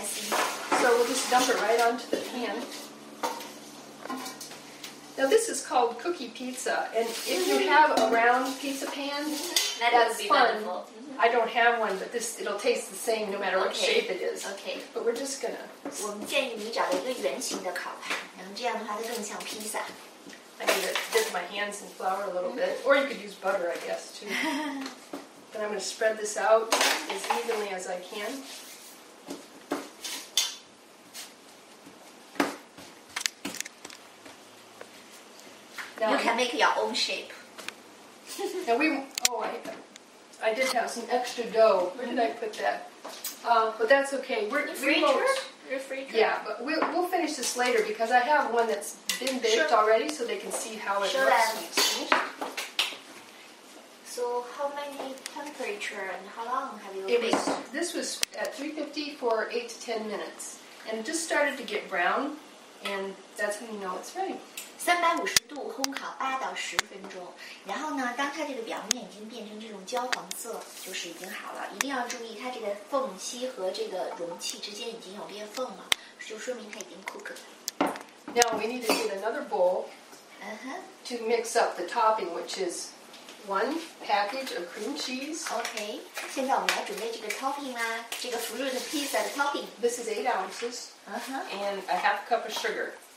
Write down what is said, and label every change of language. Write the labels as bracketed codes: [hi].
[en] So we'll just dump it right onto the pan. Now this is called cookie pizza, and if you have a round pizza pan, that's fun. I don't have one, but it'll taste the same no matter what shape it is. Okay. But we're just gonna. [zh] 我们建议你找一个圆形的烤盘，然后这样的话它更像披萨。 [en] I need to dip my hands in flour a little bit, or you could use butter, I guess, too. And I'm going to spread this out as evenly as I can. Now, you can make your own shape. Now I did have some extra dough. Where did I put that? But that's okay. Refrigerator? Yeah, but we'll finish this later because I have one that's been baked already so they can see how it looks. So how many temperature and how long have you baked? This was at 350 for 8 to 10 minutes. And it just started to get brown, and that's when you know it's ready. [zh] 350度烘烤8到10分钟。然后呢，当它这个表面已经变成这种焦黄色，就是已经好了。一定要注意它这个缝隙和这个容器之间已经有裂缝了，就说明它已经 cooked 了。 [en] Now we need to get another bowl to mix up the topping, which is... One package of cream cheese. [zh] Okay. 现在我们来准备这个 topping 啦，这个 fruit pizza 的 topping. [en] This is 8 ounces. And a half cup of sugar.